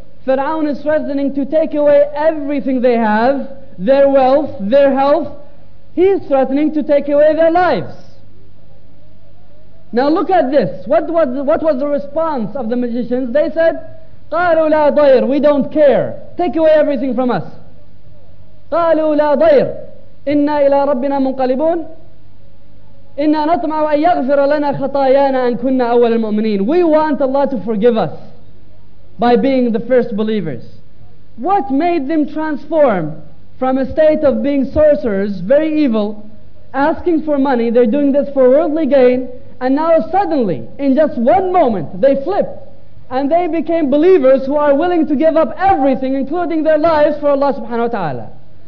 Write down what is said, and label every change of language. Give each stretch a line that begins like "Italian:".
English: Fir'aun is threatening to take away everything they have, their wealth, their health. He is threatening to take away their lives. Now look at this. What was the response of the magicians? They said,
Arabic: قالوا لا ضير,
English: we don't care, take away everything from us.
Arabic: قالوا لا ضير, إنا إلى ربنا منقلبون, إنا نطمع أن يغفر لنا خطايانا أن كنا أول المؤمنين.
English: We want Allah to forgive us by being the first believers. What made them transform from a state of being sorcerers, very evil, asking for money, they're doing this for worldly gain, and now suddenly, in just one moment, they flip and they became believers who are willing to give up everything, including their lives, for Allah subhanahu wa ta'ala.